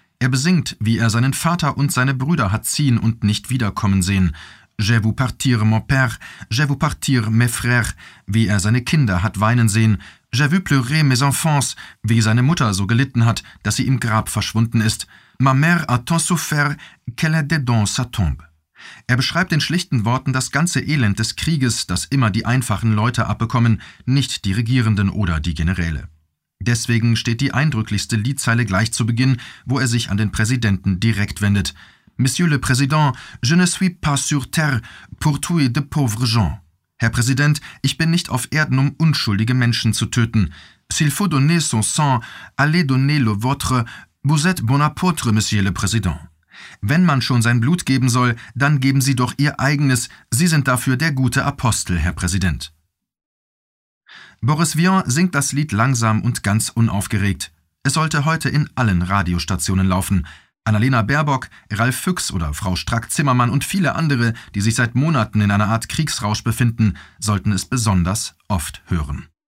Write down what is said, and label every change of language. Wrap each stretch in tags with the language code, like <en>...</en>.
<de>Er besingt, wie er seinen Vater und seine Brüder hat ziehen und nicht wiederkommen sehen.</de> <fr>Je vous partir, mon père, je vous partir, mes frères,</fr> <de>wie er seine Kinder hat weinen sehen.</de> <fr>J'ai vu pleurer mes enfants,</fr> <de>wie seine Mutter so gelitten hat, dass sie im Grab verschwunden ist.</de> <fr>Ma mère a tant souffert qu'elle est dedans sa tombe.</fr> <de>Er beschreibt in schlichten Worten das ganze Elend des Krieges, das immer die einfachen Leute abbekommen, nicht die Regierenden oder die Generäle. Deswegen steht die eindrücklichste Liedzeile gleich zu Beginn, wo er sich an den Präsidenten direkt wendet.</de> <fr>Monsieur le Président, je ne suis pas sur terre pour tuer de pauvres gens.</fr> <de>Herr Präsident, ich bin nicht auf Erden, um unschuldige Menschen zu töten.</de> <fr>S'il faut donner son sang, allez donner le vôtre. Vous êtes bon apôtre, Monsieur le Président.</fr> <de>Wenn man schon sein Blut geben soll, dann geben Sie doch Ihr eigenes. Sie sind dafür der gute Apostel, Herr Präsident. Boris Vian singt das Lied langsam und ganz unaufgeregt. Es sollte heute in allen Radiostationen laufen. Annalena Baerbock, Ralf Füchs oder Frau Strack-Zimmermann und viele andere, die sich seit Monaten in einer Art Kriegsrausch befinden, sollten es besonders oft hören.</de>